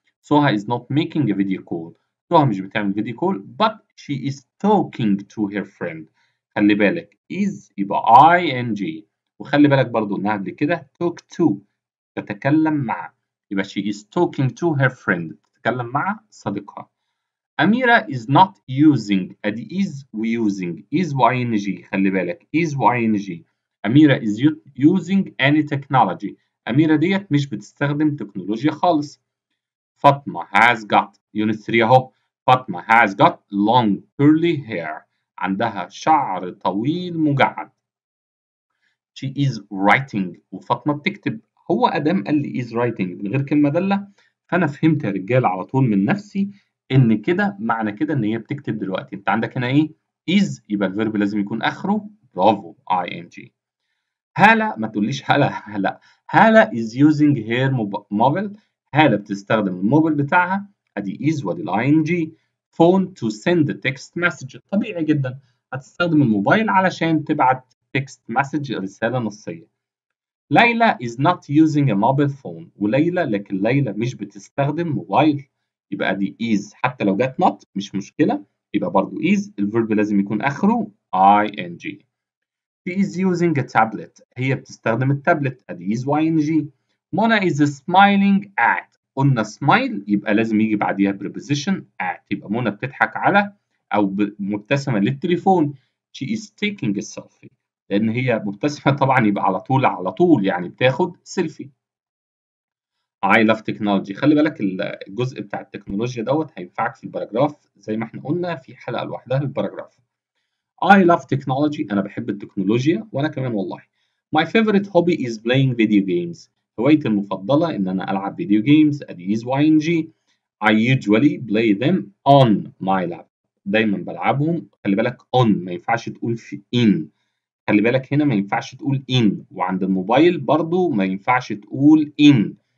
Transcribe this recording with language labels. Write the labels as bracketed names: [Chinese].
[English] Soha is not making a video call [Arabic] سوها مش بتعمل فيديو كول [English] But she is talking to her friend. [Arabic] خلي بالك از يبقى اي ان جي وخلي بالك برضه انها قبل كده توك تو تتكلم مع يبقى [English] she is talking to her friend [Arabic] تتكلم مع صديقها. [English] أميرة is not using أدي is using is ing [Arabic] خلي بالك [English] is ing. [Arabic] أميرة [English] is using any technology [Arabic] أميرة ديت مش بتستخدم تكنولوجيا خالص. [English] فاطمة has got unit 3 [Arabic] أهو فاطمة [English] has got long curly hair [Arabic] عندها شعر طويل مجعد. [English] she is writing [Arabic] وفاطمة بتكتب. هو ادم قال لي [English] is writing [Arabic] من غير كلمه داله فانا فهمت يا رجاله على طول من نفسي ان كده معنى كده ان هي بتكتب دلوقتي. انت عندك هنا ايه is يبقى الفيرب لازم يكون اخره برافو ing. هاله ما تقوليش هلا هاله [English] is using her mobile [Arabic] هاله بتستخدم الموبايل بتاعها ادي is وادي ing. [English] phone to send text message [Arabic] طبيعي جدا هتستخدم الموبايل علشان تبعت [English] text message [Arabic] رساله نصيه. ليلى [English] is not using a mobile phone [Arabic] وليلى لكن ليلى مش بتستخدم موبايل يبقى دي is حتى لو جت not مش مشكلة يبقى برضو is الفيرب لازم يكون اخره ing. [English] she is using a tablet [Arabic] هي بتستخدم التابلت ادي [English] is ing. مونا is smiling at. [Arabic] قلنا smile يبقى لازم يجي بعديها [English] preposition at. [Arabic] يبقى مونا بتضحك على أو مبتسمة للتليفون. [English] She is taking a selfie. [Arabic] لأن هي مبتسمة طبعا يبقى على طول على طول يعني بتاخد سيلفي. [English] I love technology. [Arabic] خلي بالك الجزء بتاع التكنولوجيا دوت هينفعك في الباراجراف زي ما احنا قلنا في حلقة لوحدها للباراجراف. [English] I love technology. [Arabic] أنا بحب التكنولوجيا وأنا كمان والله. [English] My favorite hobby is playing video games. [Arabic] هوايتي المفضلة إن أنا ألعب فيديو جيمز. أديز YNG. [English] I usually play them on my lap. [Arabic] دايما بلعبهم. خلي بالك on ما ينفعش تقول في in. خلي بالك هنا ما ينفعش تقول in. وعند الموبايل برضو ما ينفعش تقول in.